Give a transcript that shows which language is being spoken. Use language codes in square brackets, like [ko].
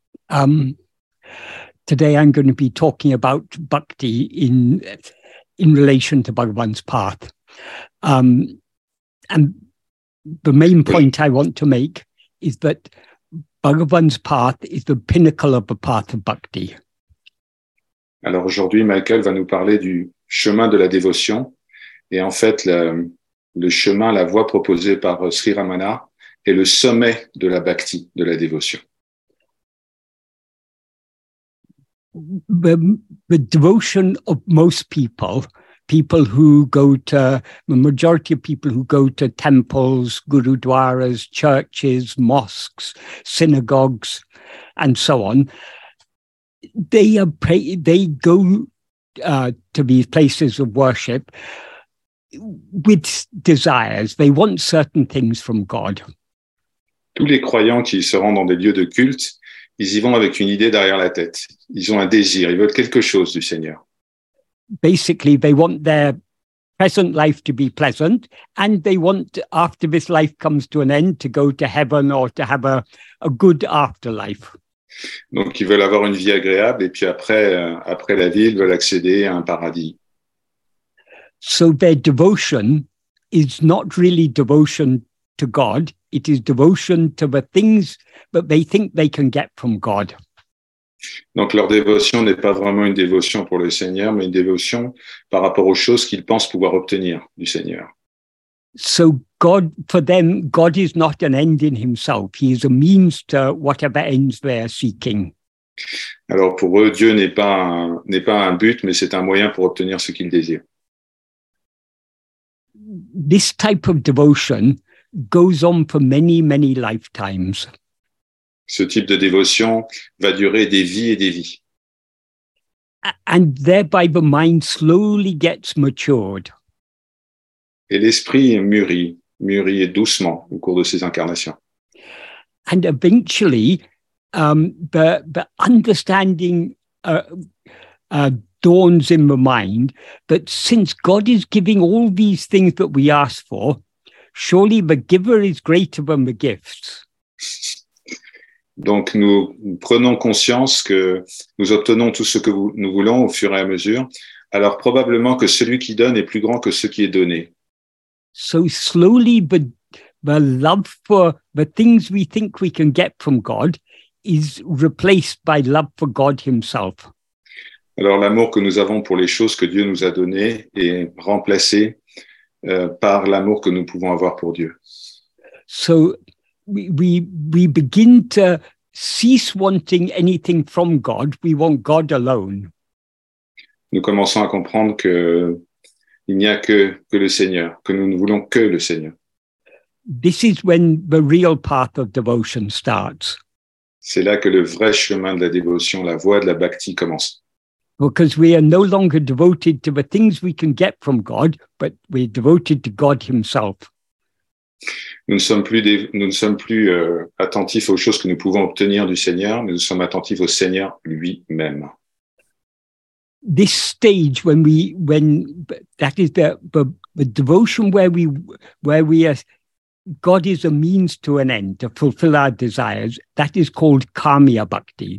[en] Today I'm going to be talking about bhakti in relation to Bhagavan's path. And the main point I want to make is that Bhagavan's path is the pinnacle of the path of bhakti. [fr] Alors aujourd'hui, Michael va nous parler du chemin de la dévotion. Et en fait, le chemin, la voie proposée par Sri Ramana est le sommet de la bhakti, de la dévotion. [en] The devotion of most people who go to, the majority of people who go to temples, gurudwaras, churches, mosques, synagogues, and so on, they go to these places of worship with desires. They want certain things from God. [fr] Tous les croyants qui se rendent dans des lieux de culte, ils y vont avec une idée derrière la tête. Ils ont un désir, ils veulent quelque chose du Seigneur. [en] Basically, they want their present life to be pleasant, and they want, after this life comes to an end, to go to heaven or to have a good afterlife. [fr] Donc, ils veulent avoir une vie agréable, et puis après la vie, ils veulent accéder à un paradis. [en] So their devotion is not really devotion to God. It is devotion to the things that they think they can get from God. [fr] Donc leur dévotion n'est pas vraiment une dévotion pour le Seigneur, mais une dévotion par rapport aux choses qu'ils pensent pouvoir obtenir du Seigneur. [en] So God, for them, God is not an end in himself. He is a means to whatever ends they are seeking. [fr] Alors pour eux, Dieu n'est pas un but, mais c'est un moyen pour obtenir ce qu'ils désirent. [en] This type of devotion goes on for many, many lifetimes. [fr] Ce type de dévotion va durer des vies et des vies. [en] And thereby the mind slowly gets matured. [fr] Et l'esprit mûrit doucement au cours de ces incarnations. [en] And eventually, the understanding dawns in the mind that since God is giving all these things that we ask for, surely the giver is greater than the gifts. [fr] Donc nous prenons conscience que nous obtenons tout ce que nous voulons au fur et à mesure, alors probablement que celui qui donne est plus grand que ce qui est donné. [en] So slowly the love for the things we think we can get from God is replaced by love for God himself. [fr] Alors l'amour que nous avons pour les choses que Dieu nous a données est remplacé par l'amour que nous pouvons avoir pour Dieu. [en] So we begin to cease wanting anything from God. We want God alone. [fr] Nous commençons à comprendre que il n'y a que le Seigneur, que nous ne voulons que le Seigneur. [en] This is when the real path of devotion starts. [fr] C'est là que le vrai chemin de la dévotion, la voie de la bhakti commence. [en] Because we are no longer devoted to the things we can get from God, but we're devoted to God himself. [fr] Nous ne sommes plus attentifs aux choses que nous pouvons obtenir du Seigneur, mais nous sommes attentifs au Seigneur lui-même. [en] This stage when that is the devotion where God is a means to an end, to fulfill our desires, that is called karmiya bhakti.